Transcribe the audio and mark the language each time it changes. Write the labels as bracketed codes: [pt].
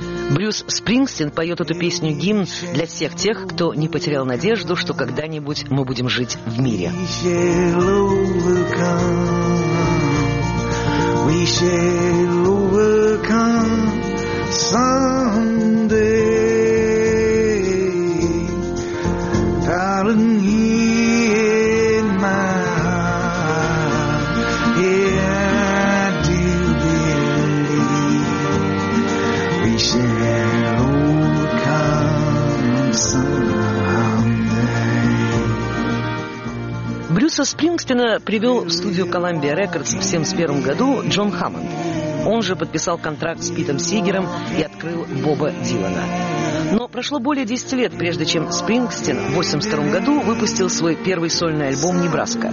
[ru] Брюс Спрингстин поет эту песню гимн для всех тех, кто не потерял надежду, что когда-нибудь мы будем жить в мире. [en] We shall overcome someday, darling, here in my heart, yeah, I do believe we shall overcome someday. [ru] Брюса Спрингстина привел в студию Columbia Records в 71 году Джон Хаммонд. Он же подписал контракт с Питом Сигером и открыл Боба Дилана. Но прошло более 10 лет, прежде чем Спрингстин в 82 году выпустил свой первый сольный альбом «Небраска».